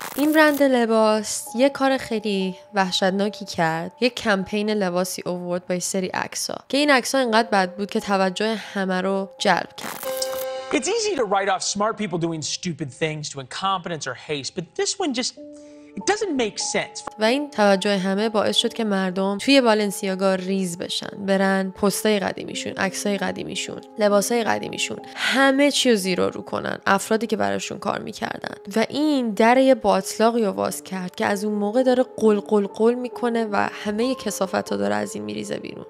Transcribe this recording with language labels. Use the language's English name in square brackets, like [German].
[Persian] این برند لباس یه کار خیلی وحشتناکی کرد. یه کمپین لباسی اوورد با یه سری عکسا که این عکسا اینقدر بد بود که توجه همه رو جلب کرد. [English] It's easy to write off smart people doing stupid things to incompetence or haste, but this one just It doesn't make sense. [Persian] و این توجه همه باعث شد که مردم توی بالنسیاگا ریز بشن، برن پستای قدیمیشون، عکسای قدیمیشون، لباسای قدیمیشون، همه چیو زیر رو کنن، افرادی که براشون کار میکردن. و این در یه باطلاقی رو باز کرد که از اون موقع داره قلقلقل میکنه و همه کثافتا داره از این میریزه بیرون.